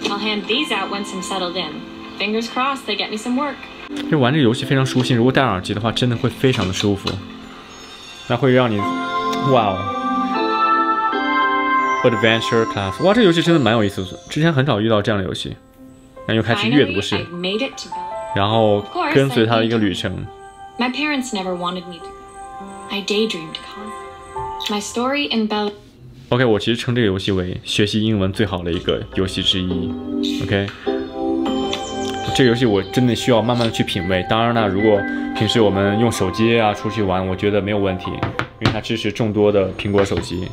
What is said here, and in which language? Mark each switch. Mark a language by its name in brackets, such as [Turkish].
[English] I'll hand these out once I'm settled in. Fingers crossed they get me some work. [Chinese] 就玩这个游戏非常舒心，如果戴耳机的话，真的会非常的舒服。那会让你，哇哦 ，Adventure Class， 哇，这游戏真的蛮有意思的，之前很少遇到这样的游戏。那又开始阅读式，然后跟随他的一个旅程。 [English] My parents never wanted me to. I daydreamed to come. My story in Bell. [Chinese] OK， 我其实称这个游戏为学习英文最好的一个游戏之一。 OK， 这个游戏我真的需要慢慢的去品味。当然呢，如果平时我们用手机啊出去玩，我觉得没有问题，因为它支持众多的苹果手机。